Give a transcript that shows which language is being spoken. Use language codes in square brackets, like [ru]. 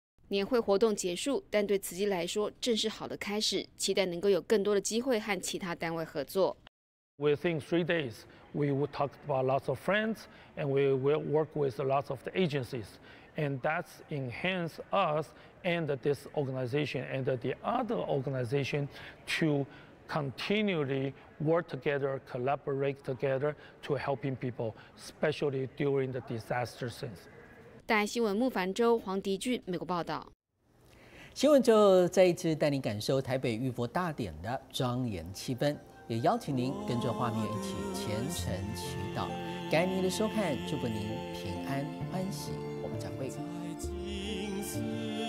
[zh] 年会活动结束，但对慈济来说正是好的开始，期待能够有更多的机会和其他单位合作。 [en] Within 3 days, we would talk about lots of friends, and we will work with lots of the agencies. And that's enhanced us and this organization and the other organization to continually work together, collaborate together to helping people, especially during the disaster scenes. [zh] 大爱新闻木凡周、黄迪俊，美国报道。新闻就再一次带你感受台北浴佛大典的庄严气氛。也邀请您跟着画面一起虔诚祈祷，感谢您的收看，祝福您平安欢喜，我们再会。